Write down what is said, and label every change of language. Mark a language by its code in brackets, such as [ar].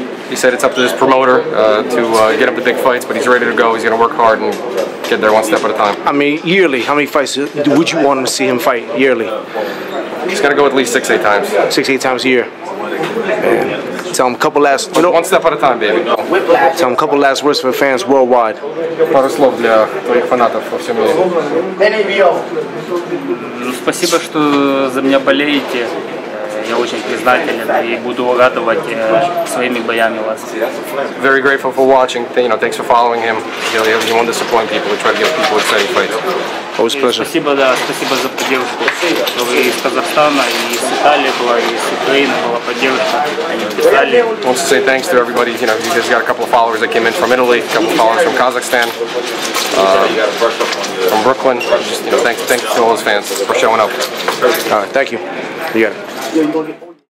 [en] He said it's up to this promoter to get him the big fights, but he's ready to go. He's going to work hard and get there one step at a time. I mean, yearly, how many fights would you want him to see him fight yearly? He's going to go at least 6-8 times. 6-8 times a year. And tell him a couple last... You know, one step at a time, baby. Tell him a couple last words for fans worldwide. [ru] Пару слов для твоих фанатов во всем мире. Спасибо, что за меня болеете. Я очень признателен и буду радовать своими боями вас. [en] Very grateful for watching. You know, thanks for following him. He won't disappoint people. He tried to give people exciting fights. Always pleasure. [ru] Спасибо, да, спасибо за поддержку. Вы из Казахстана, и из Италии была, и из Украины была поддержка. Они писали. [en] I want to say thanks to everybody. You know, you just got a couple of followers that came in from Italy, a couple of followers from Kazakhstan. From Brooklyn. Just, you know, thanks to all those fans for showing up. All right, thank you. You got it. Yeah, you don't get